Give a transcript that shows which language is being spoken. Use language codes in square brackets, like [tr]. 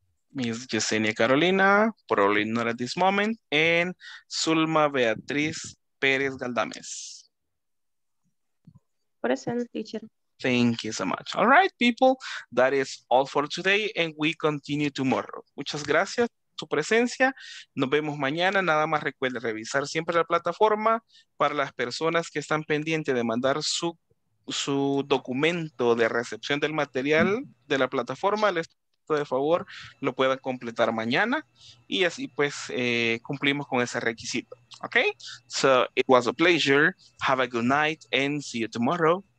[en] Miss Yesenia Carolina, probably not at this moment. And Zulma Beatriz Pérez Galdames. Present, teacher. Thank you so much. All right, people, that is all for today, and we continue tomorrow. [es] Muchas gracias por su presencia. Nos vemos mañana. Nada más recuerde revisar siempre la plataforma para las personas que están pendientes de mandar su documento de recepción del material de la plataforma. Les pido de favor lo puedan completar mañana, y así pues cumplimos con ese requisito. [en] Okay? So it was a pleasure. Have a good night and see you tomorrow.